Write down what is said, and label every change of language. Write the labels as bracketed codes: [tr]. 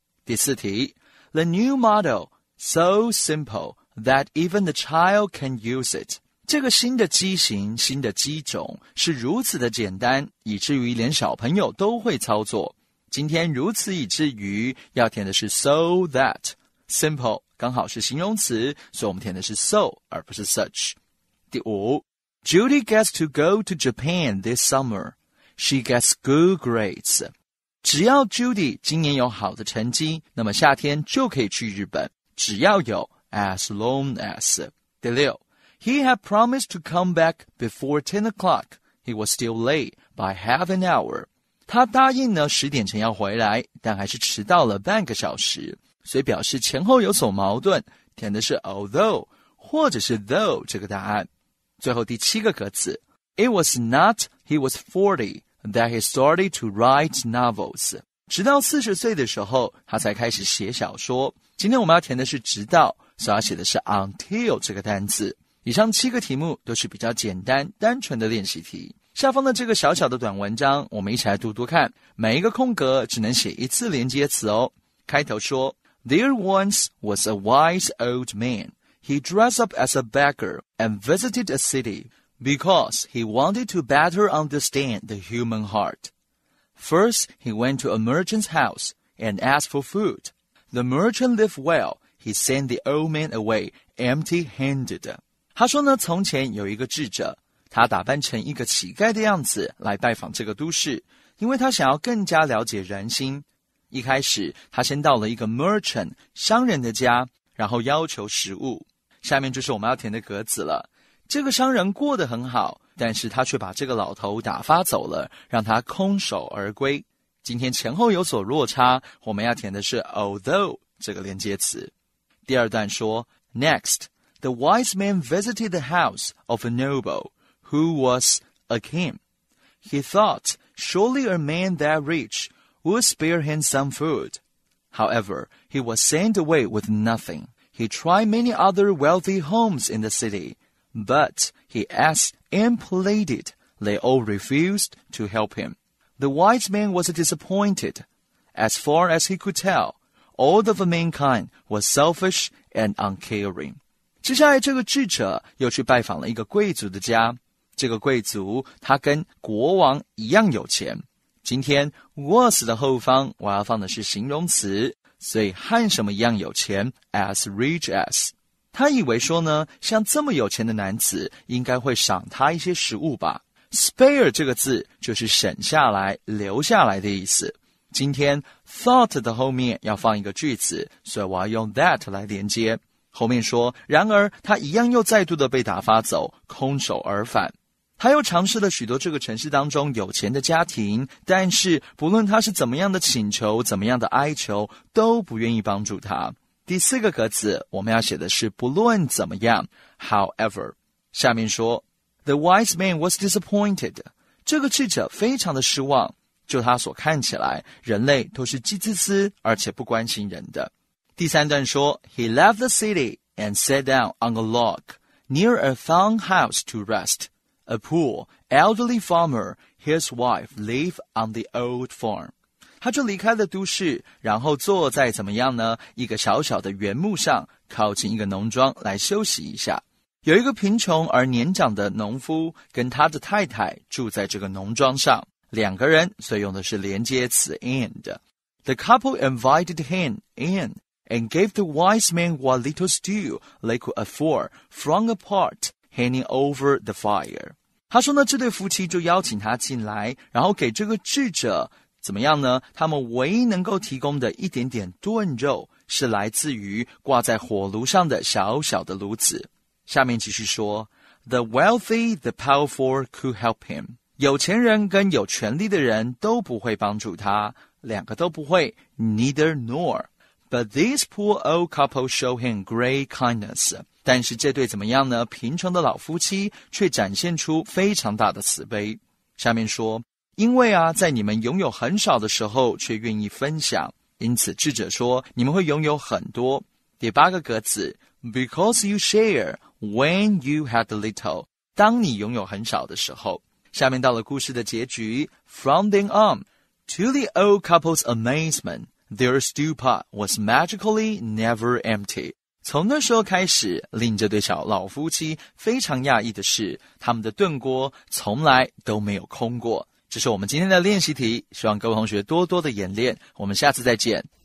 [zh] 第四题 [en] The new model, so simple that even the child can use it. [zh] 这个新的机型、新的机种是如此的简单，以至于连小朋友都会操作。今天如此以至于要填的是 so that。 Simple 刚好是形容词，所以我们填的是 so 而不是 such。第五， [en] Judy gets to go to Japan this summer. She gets good grades. [zh] 只要 Judy 今年有好的成绩，那么夏天就可以去日本，只要有 as long as。第六， [en] He had promised to come back before 10 o'clock. He was still late by half an hour. [zh] 他答应呢十点前要回来，但还是迟到了半个小时，所以表示前后有所矛盾，填的是 although 或者是 though 这个答案。最后第七个格子， [en] It was not he was 40 that he started to write novels. [zh] 直到40岁的时候他才开始写小说。今天我们要填的是直到，所以要写的是 until 这个单字。以上七个题目都是比较简单单纯的练习题。下方的这个小小的短文章我们一起来读读看，每一个空格只能写一次连接词哦。开头说， [en] There once was a wise old man. He dressed up as a beggar and visited a city because he wanted to better understand the human heart. First, he went to a merchant's house and asked for food. The merchant lived well. He sent the old man away empty-handed. [zh] 他说呢，从前有一个智者，他打扮成一个乞丐的样子来拜访这个都市，因为他想要更加了解人心。一开始他先到了一个 merchant 商人的家，然后要求食物。下面就是我们要填的格子了，这个商人过得很好，但是他却把这个老头打发走了，让他空手而归。今天前后有所落差，我们要填的是 although 这个连接词。第二段说， [en] Next, the wise man visited the house of a nobleWho was a king? He thought, surely a man that rich would spare him some food. However, he was sent away with nothing. He tried many other wealthy homes in the city, but he asked and pleaded. They all refused to help him. The wise man was disappointed. As far as he could tell, all of mankind was selfish and uncaring. [zh] 接下来这个智者又去拜访了一个贵族的家。这个贵族他跟国王一样有钱。今天 was 的后方我要放的是形容词，所以和什么一样有钱， as rich as。他以为说呢，像这么有钱的男子应该会赏他一些食物吧。 spare 这个字就是省下来留下来的意思。今天 thought 的后面要放一个句子，所以我要用 that 来连接。后面说，然而他一样又再度的被打发走，空手而返。他又尝试了许多这个城市当中有钱的家庭，但是不论他是怎么样的请求，怎么样的哀求，都不愿意帮助他。第四个格子我们要写的是不论怎么样， however。下面说， [en] The wise man was disappointed. [zh] 这个智者非常的失望，就他所看起来，人类都是既自私而且不关心人的。第三段说， [en] He left the city and sat down on a log near a farmhouse to rest. A poor, elderly farmer, his wife, lived on the old farm. [zh] 他就离开了都市，然后坐在怎么样呢？一个小小的原木上，靠近一个农庄来休息一下。有一个贫穷而年长的农夫跟他的太太住在这个农庄上，两个人，所以用的是连接词 and。 [en] The couple invited him in. And gave the wise man what little stew they could afford from a pot hanging over the fire. [zh] 他说呢，这对夫妻就邀请他进来，然后给这个智者怎么样呢？他们唯一能够提供的一点点炖肉是来自于挂在火炉上的小小的炉子。下面继续说， [en] The wealthy, the powerful could help him. [zh] 有钱人跟有权力的人都不会帮助他，两个都不会， neither nor. [en] But this poor old couple showed him great kindness. [zh] 但是这对怎么样呢？贫穷的老夫妻却展现出非常大的慈悲。下面说，因为啊，在你们拥有很少的时候却愿意分享，因此智者说，你们会拥有很多。第八个格子， [en] Because you share when you had little. [zh] 当你拥有很少的时候。下面到了故事的结局， [en] From then on, to the old couple's amazement,Their stew pot was magically never empty. [zh] 从那时候开始，令这对小老夫妻非常讶异的是，他们的炖锅从来都没有空过。这是我们今天的练习题，希望各位同学多多的演练，我们下次再见。